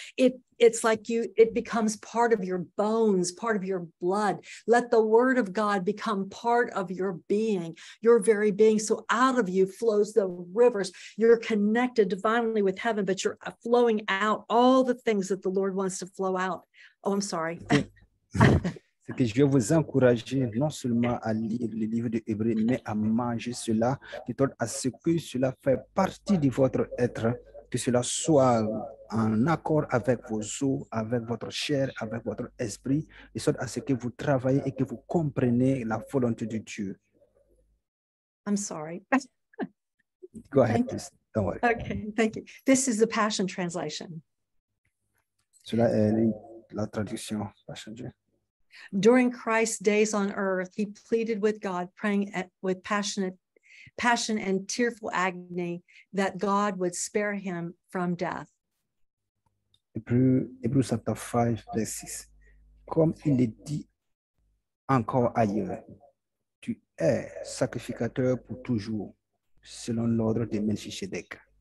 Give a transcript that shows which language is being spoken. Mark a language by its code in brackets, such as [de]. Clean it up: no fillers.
[en] It becomes part of your bones, part of your blood. Let the word of God become part of your being, your very being. So out of you flows the rivers. You're connected divinely with heaven, but you're flowing out all the things that the Lord wants to flow out. Oh, I'm sorry. [fr] C'est que je vais vous encourager non seulement à lire le livre de Hébreux, mais à manger cela, de sorte à ce que cela fait partie de votre être, que cela soit en accord avec vos os, avec votre chair, avec votre esprit, de sorte à ce que vous travaillez et que vous compreniez la volonté de Dieu. [en] I'm sorry. Go ahead, thank please. You. Don't worry. Okay, thank you. This is the Passion Translation. [fr] Cela est la traduction. [en] During Christ's days on earth, he pleaded with God, praying with passion and tearful agony that God would spare him from death. [fr] Hébreux chapitre 5, verset 6. Comme il est dit encore ailleurs, tu es sacrificateur pour toujours, selon l'ordre de Melchisedec.